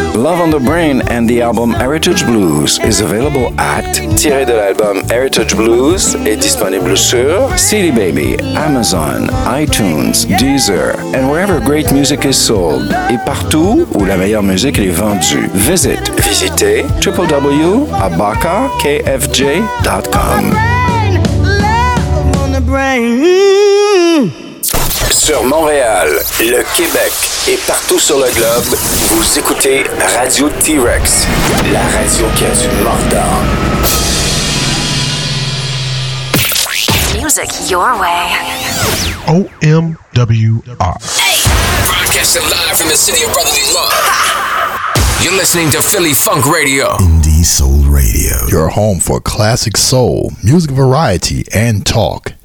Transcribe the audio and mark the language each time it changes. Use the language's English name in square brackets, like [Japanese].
[English] Love on the Brain and the album Heritage Blues is available at [French] tiré de l'album Heritage Blues est disponible sur [English] CD Baby, Amazon, iTunes, Deezer, and wherever great music is sold. [French] Et partout où la meilleure musique est vendue. Visitez www.abakakfj.com. Sur Montréal, le Québec et partout sur le globe, vous écoutez Radio T-Rex, la radio qui a du mordant. [English] Music your way. OMWR. Hey. Broadcasting live from the city of brotherly love. You're listening to Philly Funk Radio. Indie Soul Radio. Your home for classic soul, music variety, and talk.